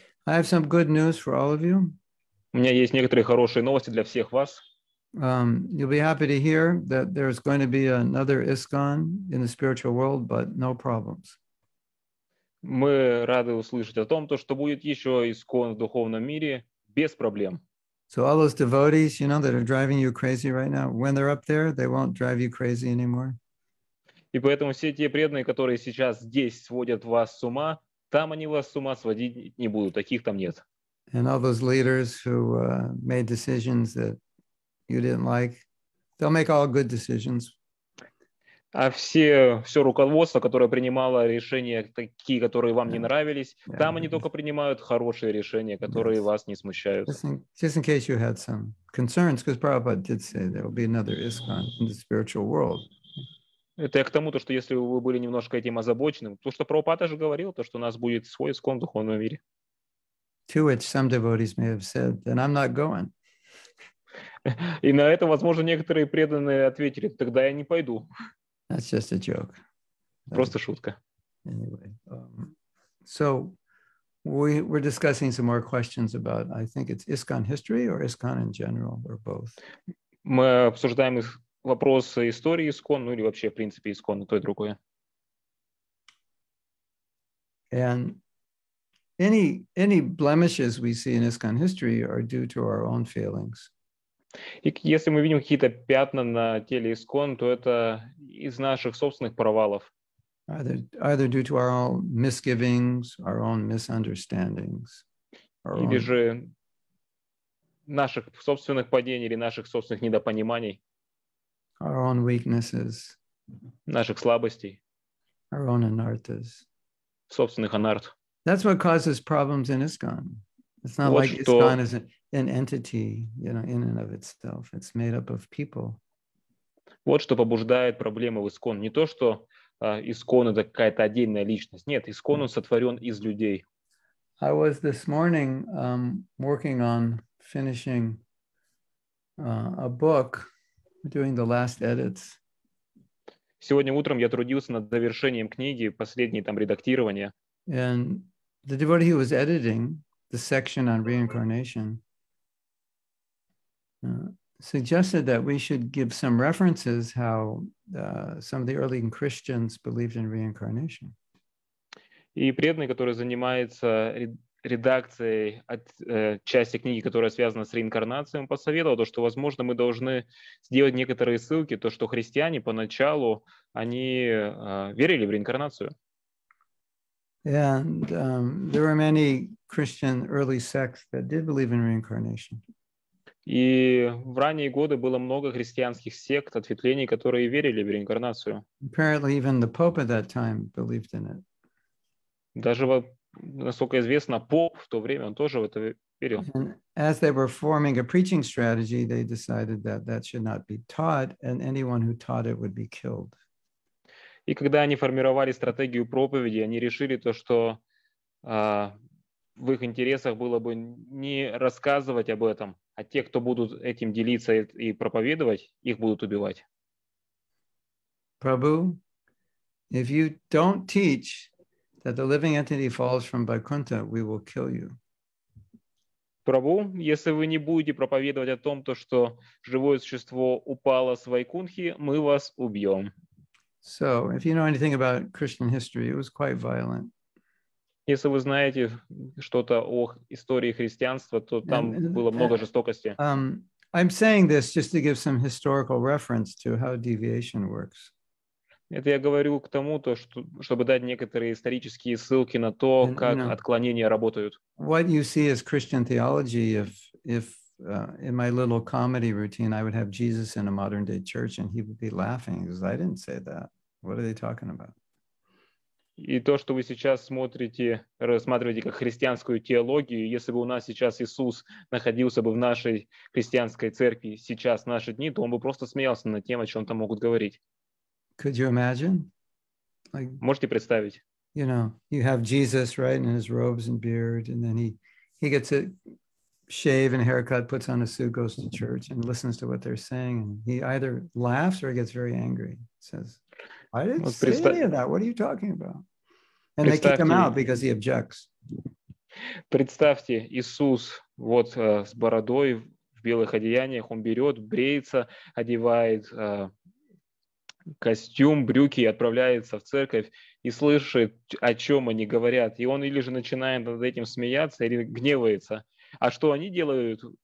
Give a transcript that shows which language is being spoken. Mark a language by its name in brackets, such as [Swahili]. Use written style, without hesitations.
[English] I have some good news for all of you. [Russian] У меня есть некоторые хорошие новости для всех вас. [English] You'll be happy to hear that there's going to be another ISKCON in the spiritual world, but no problems. [Russian] Мы рады услышать о том, то, что будет еще ИСККОН в духовном мире без проблем. [English] So all those devotees, you know, that are driving you crazy right now, when they're up there, they won't drive you crazy anymore. [Russian] И поэтому все те преданные, которые сейчас здесь сводят вас с ума, там они вас с ума сводить не будут, таких там нет. [English] And all those leaders who made decisions that you didn't like, they'll make all good decisions. [Russian] А все руководство, которое принимало решения такие, которые вам не нравились, [English] yeah, [Russian] там они только принимают хорошие решения, которые [English] yes. [Russian] вас не смущают. [English] Just in case you had some concerns, because Prabhupada did say there will be another ISKCON in the spiritual world. [Russian] Это я к тому, то, что если вы были немножко этим озабочены, то, что Прабхупада же говорил, то, что у нас будет свой ИСККОН в духовном мире. [English] To which some devotees may have said, then I'm not going. [Russian] И на это, возможно, некоторые преданные ответили, тогда я не пойду. [English] That's just a joke. [Russian] Просто шутка. [English] Anyway, so we were discussing some more questions about, I think it's ISKCON history or ISKCON in general, or both. [Russian] Мы обсуждаем их вопрос истории ИСККОН, ну или вообще, в принципе, ИСККОН, то и другое. [English] And any blemishes we see in ISKCON history are due to our own failings. [Russian] И если мы видим какие-то пятна на теле ИСККОН, то это из наших собственных провалов. [English] Either due to our own misgivings, our own misunderstandings. Our [Russian] или же наших собственных падений или наших собственных недопониманий. [English] Our own weaknesses, [Russian] наших слабостей, [English] our own anarthas, [Russian] собственных анарт. [English] That's what causes problems in ISKCON. It's not like ISKCON is an entity, you know, in and of itself. It's made up of people. [Russian] Вот что побуждает проблемы в ИСККОН. Не то, что ИСККОН это какая-то отдельная личность. Нет, ИСККОН он сотворен из людей. [English] I was this morning working on finishing a book. Doing the last edits. [Russian] Сегодня утром я трудился над завершением книги, последние там редактирования. [English] And the devotee who was editing the section on reincarnation suggested that we should give some references how some of the early Christians believed in reincarnation. [Russian] И преданный, который занимается редакцией от части книги, которая связана с реинкарнацией, он посоветовал то, что, возможно, мы должны сделать некоторые ссылки, то, что христиане поначалу, они верили в реинкарнацию. [English] And there were many Christian early sects that did believe in reincarnation. [Russian] И в ранние годы было много христианских сект, ответвлений, которые верили в реинкарнацию. [English] Apparently, even the Pope at that time believed in it. [Russian] Даже во Насколько известно, поп в то время, он тоже в это верил. [English] And as they were forming a preaching strategy, they decided that that should not be taught, and anyone who taught it would be killed. [Russian] И когда они формировали стратегию проповеди, они решили то, что в их интересах было бы не рассказывать об этом, а те, кто будут этим делиться и проповедовать, их будут убивать. [English] Prabhu, if you don't teach that the living entity falls from Vaikuntha, we will kill you. [Russian] Прабу, если вы не будете проповедовать о том, то, что живое существо упало с Вайкунхи, мы вас убьем. [English] So, if you know anything about Christian history, it was quite violent. [Russian] Если вы знаете что-то о истории христианства, то там было много жестокости. [English] I'm saying this just to give some historical reference to how deviation works. [Russian] Это я говорю к тому, то, что, чтобы дать некоторые исторические ссылки на то, как [English] you know, [Russian] отклонения работают. [English] What you see as Christian theology, if in my little comedy routine I would have Jesus in a modern day church and he would be laughing, because I didn't say that. What are they talking about? [Russian] И то, что вы сейчас смотрите, рассматриваете как христианскую теологию, если бы у нас сейчас Иисус находился бы в нашей христианской церкви сейчас, в наши дни, то он бы просто смеялся над тем, о чем там могут говорить. [English] Could you imagine? [Russian] Можете представить? [English] You know, you have Jesus, right, in his robes and beard, and then he gets a shave and haircut, puts on a suit, goes to church, and listens to what they're saying. And he either laughs or he gets very angry. He says, I didn't say any of that. What are you talking about? And they kick him out because he objects. [Russian] Представьте, Иисус вот с бородой в белых одеяниях, он берет, бреется, одевает костюм, брюки и отправляется в церковь и слышит, о чем они говорят. И он или же начинает над этим смеяться, или гневается. А что они делают?